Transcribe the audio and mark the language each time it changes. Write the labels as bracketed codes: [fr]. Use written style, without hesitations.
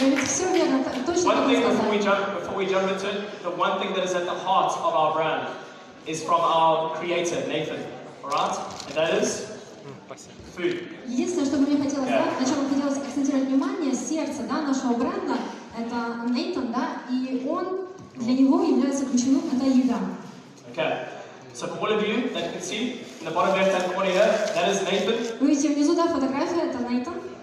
[en] One thing before we jump into it, the one thing that is at the heart of our brand is from our creator, Nathan. Alright? And that is [ru] Единственное, что бы мне хотелось, да, на чем бы хотелось акцентировать внимание, сердце, да, нашего бренда, это Нейтан, да, и он для него является ключевым, это еда. [en] Okay. So for all of you that you can see in the bottom left hand corner here, that is Nathan. [ru] Вы видите внизу, да, фотография, это Нейтан.